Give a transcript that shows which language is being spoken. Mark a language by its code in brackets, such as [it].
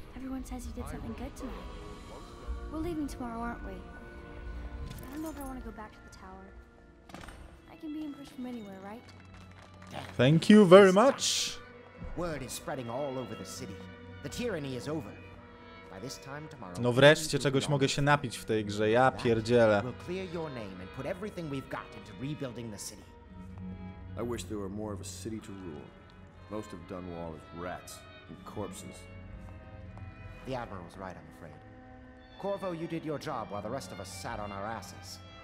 [en] Everyone says you did something good tonight. We're leaving tomorrow, aren't we? I don't know if I want to go back to the tower. I can be impressed from anywhere, right? Thank you very much. Word is spreading all over the city. The tyranny is over. By this time tomorrow. [pl] No wreszcie czegoś mogę się napić w tej grze, ja pierdzielę. [en] We'll clear your name and put everything we've got into rebuilding the city. I wish there were more of a city to rule. Most of Dunwall is rats and corpses. The Admiral's right, I'm afraid. Corvo, you did your job while the rest of us sat on our asses.